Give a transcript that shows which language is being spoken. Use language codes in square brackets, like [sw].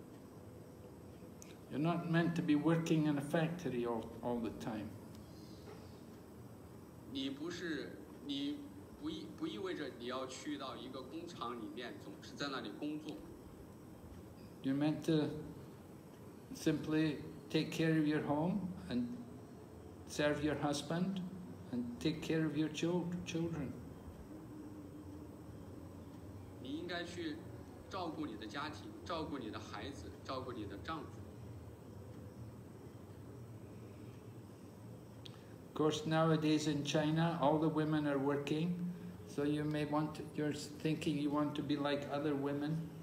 [en] You're not meant to be working in a factory all the time. [zh] 你不意味着你要去到一个工厂里面，总是在那里工作。 [en] You're meant to simply take care of your home and serve your husband and take care of your children. [zh] 你应该去照顾你的家庭，照顾你的孩子，照顾你的丈夫。 [en] Of course, nowadays in China, all the women are working, so you may want to, you're thinking you want to be like other women.